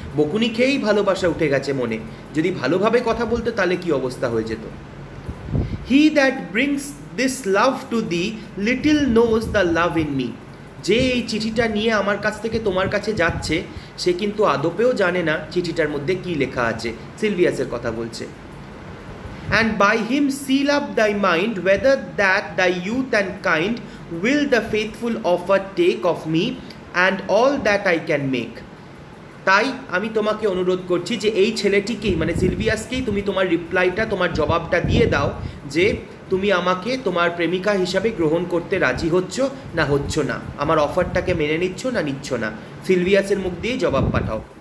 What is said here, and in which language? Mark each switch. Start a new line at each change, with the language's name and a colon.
Bangla: বকুনি খেয়েই ভালোবাসা উঠে গেছে মনে, যদি ভালোভাবে কথা বলতে তাহলে কি অবস্থা হয়ে যেত।
English: he that brings this love to the little knows the love in me,
Bangla: যে এই চিঠিটা নিয়ে আমার কাছ থেকে তোমার কাছে যাচ্ছে সে কিন্তু আদপেও জানে না চিঠিটার মধ্যে কি লেখা আছে, সিলভিয়াসের কথা বলছে।
English: And by him seal up thy mind, whether that thy youth and kind will the faithful offer take of me and all that I can make.
Bangla: তাই আমি তোমাকে অনুরোধ করছি যে এই ছেলেটিকেই মানে সিলভিয়াসকেই তুমি তোমার রিপ্লাইটা তোমার জবাবটা দিয়ে দাও যে তুমি আমাকে তোমার প্রেমিকা হিসাবে গ্রহণ করতে রাজি হচ্ছ না হচ্ছ না, আমার অফারটাকে মেনে নিচ্ছ না নিচ্ছ না, সিলভিয়াসের মুখ দিয়েই জবাব পাঠাও।